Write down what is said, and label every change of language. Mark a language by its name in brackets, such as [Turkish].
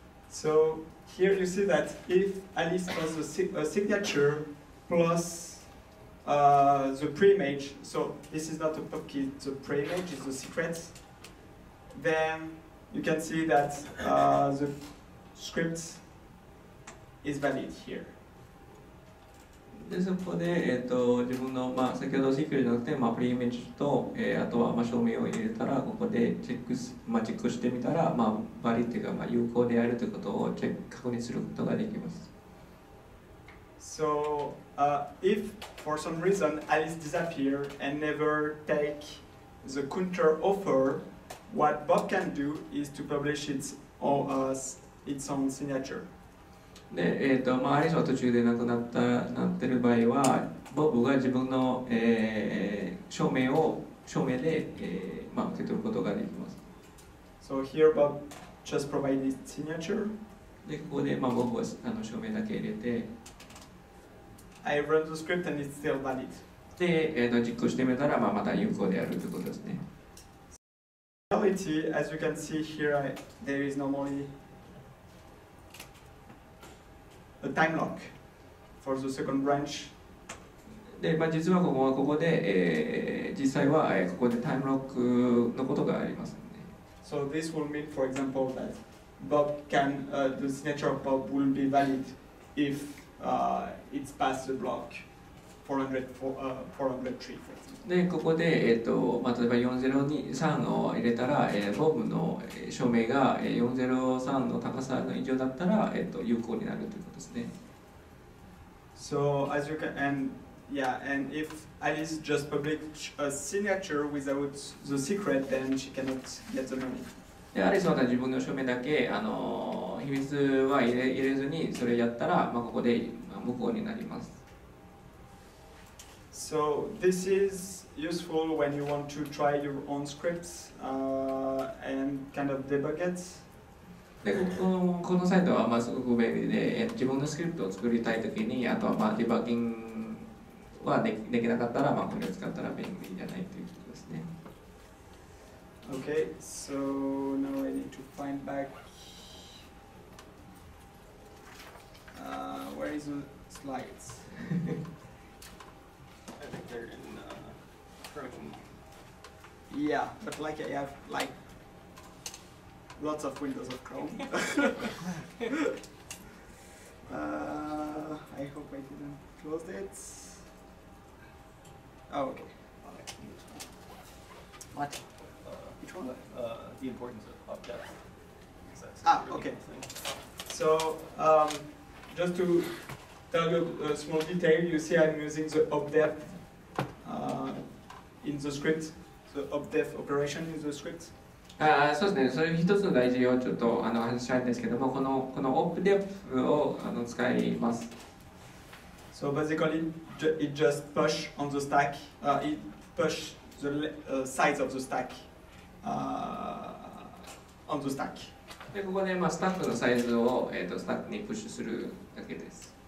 [English] So here you see that if Alice has a signature plus. The pre-image, so this is not a pub key, the pre-image is the secret. Then you can see that the script is valid here. [Japanese] でそこで、自分の、まあ、先ほどシークレットじゃなくて、まあ、プリイメージと、あとは、まあ、証明を入れたら、ここでチェックしてみたら、まあ、バリというか、まあ、有効であるということをチェック確認することができます。 [English] So, if for some reason Alice disappears and never take the counter offer, what Bob can do is to publish its own signature. [Japanese] で、まあ、アリスは途中で亡くなった、なってる場合は、ボブが自分の、証明で、まあ、受け取ることができます。 [English] So here Bob just provided his signature. [Japanese] で、ここで、まあ、ボブはあの証明だけ入れて、 [English] I run the script and it's still valid. [Japanese] で、実行してみたら、まあ、また有効であるということですね。 [English] Reality, as you can see here, there is normally a time lock for the second branch. [Japanese] で、まあ、実はここはここで、実際はここでタイムロックのことがありますので。 [English] So this will mean, for example, that Bob can, the signature of Bob will be valid if. It's past the block 400 tree, for example. [Japanese] で、ここで、例えば403を入れたら、ボブの証明が403の高さの以上だったら、有効になるということですね。 [English] So, as you can, and yeah, and if Alice just published a signature without the secret, then she cannot get the money. [Japanese] で、アリスは自分の証明だけ、秘密は入れずに、それやったら、まあ、ここで、まあ、無効になります。 [English] So, this is useful when you want to try your own scripts, and kind of debug it. [Japanese] で、このサイトは、まあ、すごく便利で、自分のスクリプトを作りたいときに、あとは、まあ、デバッキングはできなかったら、まあ、これを使ったら便利じゃないということですね。 [English] Okay, so now I need to find back. Where is the slides? I think they're in Crosschain. Yeah, but like I have like lots of windows of Chrome. I hope I didn't close it. Oh, okay. What? Which one? The importance of objects. So just to tell you a small detail, you see I'm using the obdef in the script, the obdef operation in the script. [Japanese] そうですね、それ一つの大事をちょっと話したいんですけども、このobdefを使います。 [English] So basically, it just push on the stack, it push the sides of the stack on the stack. [Japanese] でここでまあスタックのサイズをスタックにプッシュするだけです。